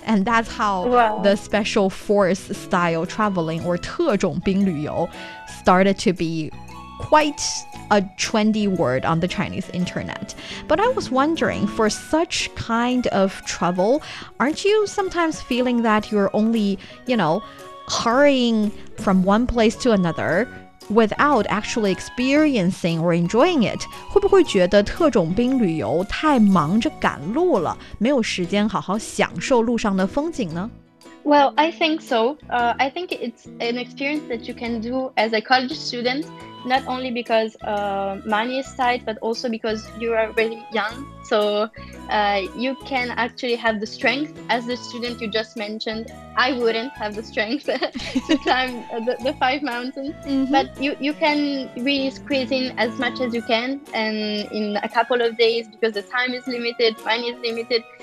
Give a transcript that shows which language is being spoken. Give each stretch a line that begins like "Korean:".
English: And that's how the special force style traveling or 特种兵旅游 started to be quite a trendy word on the Chinese internet. But I was wondering, for such kind of travel, aren't you sometimes feeling that you're only, you know, hurrying from one place to another without actually experiencing or enjoying it?
Chinese: 会不会觉得特种兵旅游太忙着赶路了，没有时间好好享受路上的风景呢？
English: Well, I think so. I think it's an experience that you can do as a college student, not only because money is tight, but also because you are really young. So you can actually have the strength as the student you just mentioned. I wouldn't have the strength to climb the five mountains, but you can really squeeze in as much as you can and in a couple of days because the time is limited, money is limited.